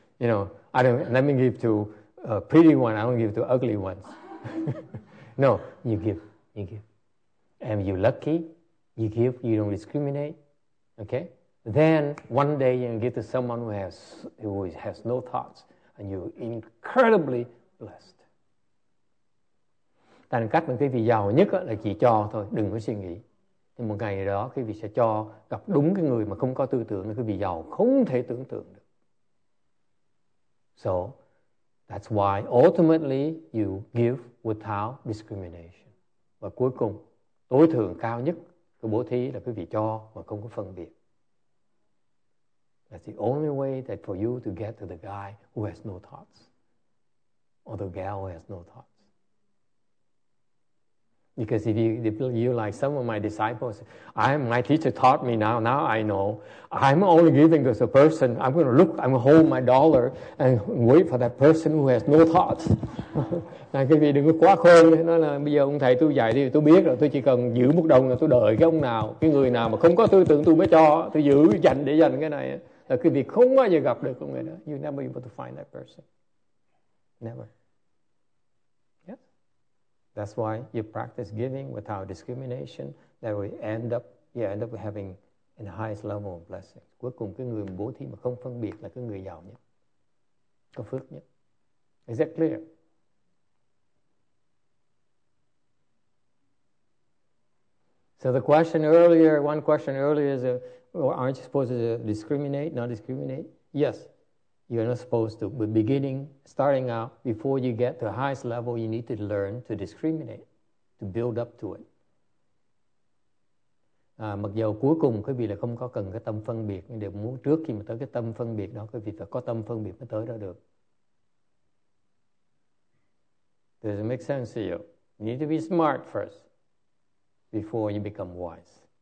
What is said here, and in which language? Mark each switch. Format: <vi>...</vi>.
<en>You know, let me give to a pretty one, I don't give to ugly ones. No, you give. And if you're lucky, You give, you don't discriminate, okay? Then one day you give to someone who has no thoughts, and you're incredibly blessed.</en> <vi>Tại cách mà quý vị giàu nhất là chỉ cho thôi, đừng có suy nghĩ. Thì một ngày đó quý vị sẽ cho gặp đúng cái người mà không có tư tưởng, quý vị giàu không thể tưởng tượng được.</vi> <en>So that's why ultimately you give without discrimination.</en> <vi>Và cuối cùng, tối thượng cao nhất của bố thí là quý vị cho mà không có phân biệt.</vi> <en>That's the only way that for you to get to the guy who has no thoughts, or the gal who has no thoughts. Because if you like some of my disciples, my teacher taught me now I know, I'm only giving to the person, I'm going to hold my dollar and wait for that person who has no thoughts.</en> <vi>Này quý vị đừng có quá khôn, nói là bây giờ ông thầy tôi dạy đi, tôi biết rồi, tôi chỉ cần giữ một đồng là tôi đợi cái ông nào, cái người nào mà không có tư tưởng tôi mới cho, tôi giữ dành để dành cái này. Là quý vị không bao giờ gặp được con người đó.</vi> <en>You never able to find that person. Never. Yeah. That's why you practice giving without discrimination, that will end up, having in the highest level of blessing.</en> <vi>Cuối cùng cái người bố thí mà không phân biệt là cái người giàu nhất, có phước nhất.</vi> <en>Is that clear? So the question earlier, one question earlier is, aren't you supposed to discriminate, not discriminate? Yes, you're not supposed to. But beginning, starting out, before you get to the highest level, you need to learn to discriminate, to build up to it.</en> <vi>Mặc dù cuối cùng quý vị là không có cần cái tâm phân biệt, nhưng muốn trước khi mà tới cái tâm phân biệt đó, quý vị phải có tâm phân biệt mới tới đó được.</vi> <en>Does it make sense to you? You need to be smart first, before you become wise.</en>